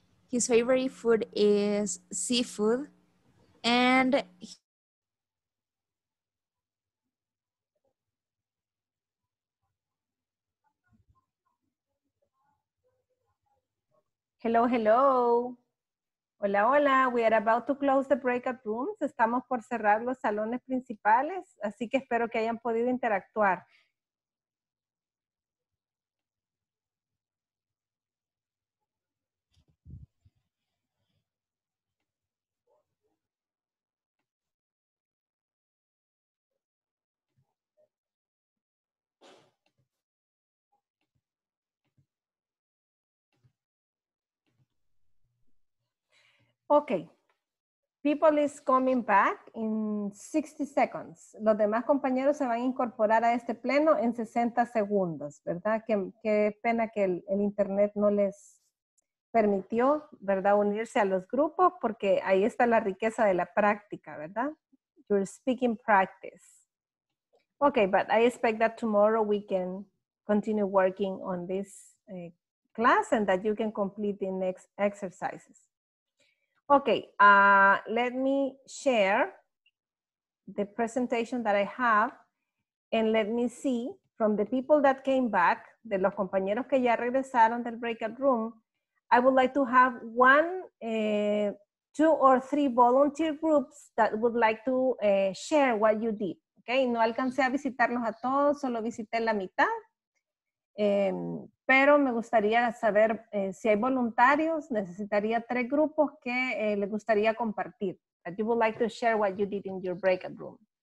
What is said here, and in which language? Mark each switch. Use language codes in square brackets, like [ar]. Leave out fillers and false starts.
[en] His favorite food is seafood. And hello, hello. [es] Hola, hola. [en] We are about to close the breakout rooms. [es] Estamos por cerrar los salones principales, así que espero que hayan podido interactuar. [en] Okay, people is coming back in 60 seconds. [es] Los demás compañeros se van a incorporar a este pleno en 60 segundos, ¿verdad? Qué pena que el internet no les permitió, ¿verdad? Unirse a los grupos porque ahí está la riqueza de la práctica, ¿verdad? [en] You're speaking practice. Okay, but I expect that tomorrow we can continue working on this class and that you can complete the next exercises. Okay, let me share the presentation that I have and let me see from the people that came back, [es] de los compañeros que ya regresaron del breakout room, [en] I would like to have one, two or three volunteer groups that would like to share what you did. [es] Okay, no alcancé a visitarlos a todos, solo visité la mitad. Pero me gustaría saber si hay voluntarios, necesitaría tres grupos que le gustaría compartir. [en] That you would like to share what you did in your breakout room.